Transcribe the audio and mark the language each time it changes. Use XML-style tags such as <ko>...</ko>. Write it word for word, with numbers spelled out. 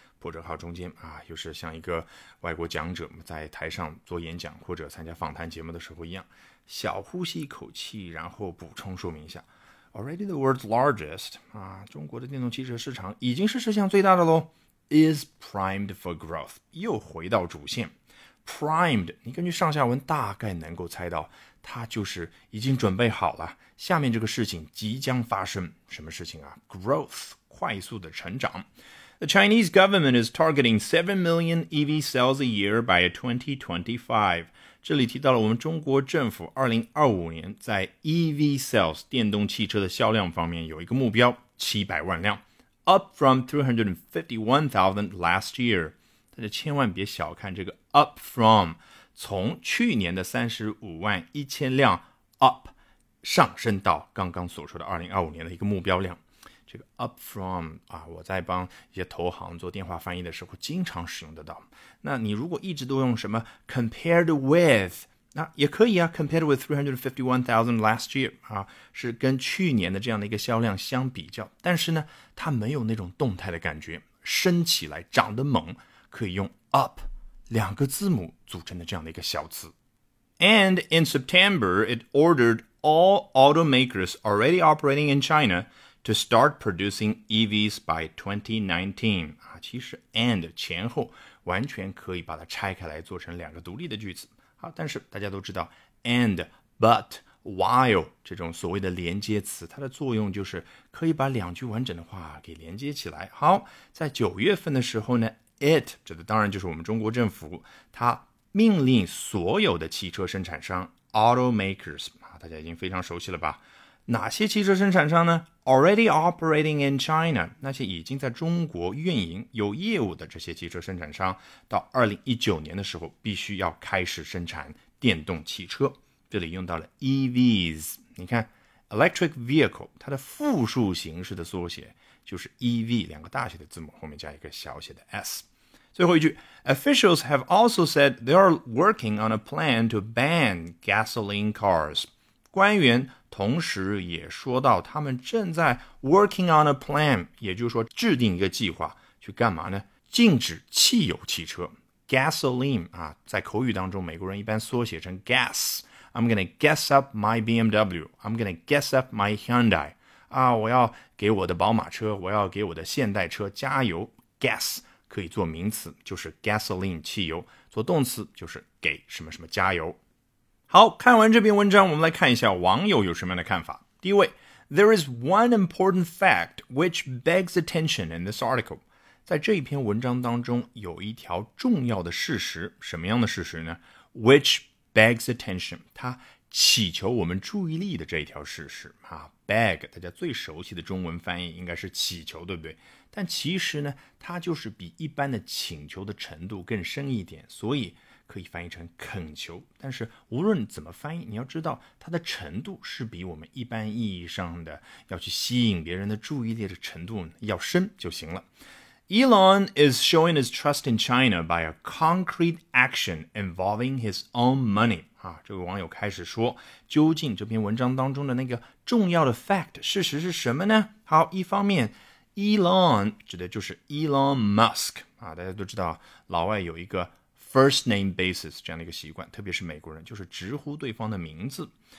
<zh>破折号中间啊，又是像一个外国讲者在台上做演讲或者参加访谈节目的时候一样，小呼吸一口气，然后补充说明一下</zh> <en>already the world's largest</en> <zh>啊，中国的电动汽车市场已经是世界上最大的咯</zh> <en>is primed for growth，</en> <zh>又回到主线 primed， 你根据上下文大概能够猜到它就是已经准备好了，下面这个事情即将发生。什么事情啊？ growth， 快速的成长。</zh> <en>The Chinese government is targeting seven million E V sales a year by twenty twenty-five.</en> <zh>这里提到了我们中国政府二零二五年在 E V sales 电动汽车的销量方面有一个目标七百万辆</zh> <en>up from three hundred fifty-one thousand last year.</en> <zh>大家千万别小看这个</zh> <en>up from，</en> <zh>从去年的三十五万一千辆 up 上升到刚刚所说的二零二五年的一个目标量。这个 up from 啊，我在帮一些投行做电话翻译的时候经常使用得到。那你如果一直都用什么</zh> <en>compared with， 那也可以啊， compared with three hundred fifty-one thousand last year</en> <zh>啊，是跟去年的这样的一个销量相比较，但是呢它没有那种动态的感觉，升起来长得猛，可以用 up 两个字母组成的这样的一个小词。</zh> <en>And in September, it ordered all automakers already operating in China to start producing E Vs by twenty nineteen.</en> <zh>啊，其实 and 前后完全可以把它拆开来做成两个独立的句子。好，但是大家都知道 and, but, while 这种所谓的连接词，它的作用就是可以把两句完整的话给连接起来。好，在九月份的时候呢 it 这当然就是我们中国政府，它命令所有的汽车生产商 automakers， 啊，大家已经非常熟悉了吧。哪些汽车生产商呢？</zh> <en>already operating in China，</en> <zh>那些已经在中国运营有业务的这些汽车生产商，到二零一九年的时候必须要开始生产电动汽车。这里用到了 E Vs， 你看 electric vehicle 它的复数形式的缩写就是 E V， 两个大写的字母后面加一个小写的 S。最后一句</zh> <en>officials have also said they are working on a plan to ban gasoline cars，</en> <zh>官员同时也说到他们正在</zh> <en>working on a plan，</en> <zh>也就是说制定一个计划去干嘛呢？禁止汽油汽车 gasoline 啊，在口语当中美国人一般缩写成 gas，</zh> <en>I'm gonna gas up my B M W， I'm gonna gas up my Hyundai</en> <zh>啊，我要给我的宝马车，我要给我的现代车加油。 gas 可以做名词，就是 gasoline 汽油，做动词就是给什么什么加油。好，看完这篇文章，我们来看一下网友有什么样的看法。第一位</zh> <en>There is one important fact which begs attention in this article，</en> <zh>在这一篇文章当中有一条重要的事实。什么样的事实呢？</zh> <en>which begs attention，</en> <zh>它祈求我们注意力的这一条事实啊。 beg 大家最熟悉的中文翻译应该是祈求，对不对？但其实呢它就是比一般的请求的程度更深一点，所以可以翻译成恳求，但是无论怎么翻译，你要知道它的程度是比我们一般意义上的要去吸引别人的注意力的程度要深就行了。</zh> <en>Elon is showing his trust in China by a concrete action involving his own money.</en> <zh>啊，这位网友开始说，究竟这篇文章当中的那个重要的 fact 事实是什么呢？好，一方面 Elon 指的就是 Elon Musk 啊，大家都知道老外有一个</zh> <en>First name basis</en> <zh>这样的一个习惯，特别是美国人，就是直呼对方的名字。</zh>